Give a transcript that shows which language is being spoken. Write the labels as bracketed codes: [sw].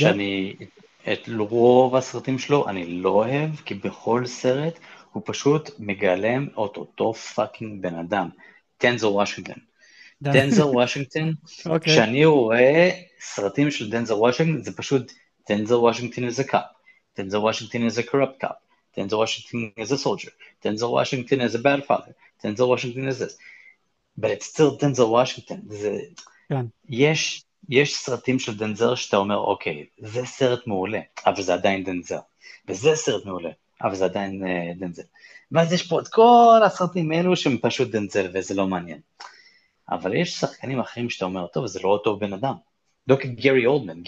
[he] שאני, את רוב הסרטים שלו, אני לא אוהב, כי בכל סרט הוא פשוט מגלם את אותו פאקינג בן אדם. דנזל וושינגטון. דנזל וושינגטון, אוקיי. כשאני רואה סרטים של דנזל וושינגטון, זה פשוט דנזל וושינגטון [en] is a cop. דנזל וושינגטון is a corrupt cop. דנזל וושינגטון is a soldier. דנזל וושינגטון is a bad father. דנזל וושינגטון is this. But it's still דנזל וושינגטון. [he] כן. יש סרטים של דנזל שאתה אומר, אוקיי, זה סרט מעולה, אבל זה עדיין דנזל. וזה סרט מעולה, אבל זה עדיין דנזל. ואז יש פה את כל הסרטים האלו שהם פשוט דנזל, וזה לא מעניין. אבל יש שחקנים אחרים שאתה אומר, טוב, זה לא אותו בן אדם. לא כגרי אולדמן.